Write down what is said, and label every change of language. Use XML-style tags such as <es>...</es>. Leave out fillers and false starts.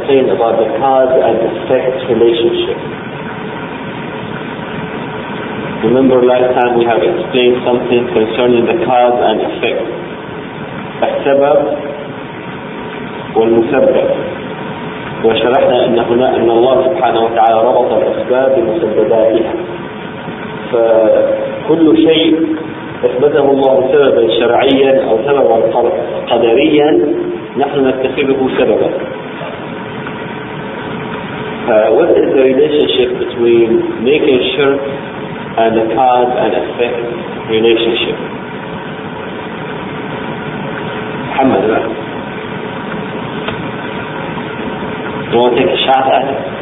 <en>About the cause and effect relationship. Remember last time we have explained something concerning the cause and effect.</en> <ar>السبب والمسبب. وشرحنا أن هنا أن الله سبحانه وتعالى ربط الأسباب بمسبباتها. فكل شيء أثبته الله سببا شرعيا أو سببا قدريا نحن نتخذه سببا.</ar> <en>What is the relationship between making shirk and the cause and effect relationship? Muhammad, right? You want to take a shot at it?</en>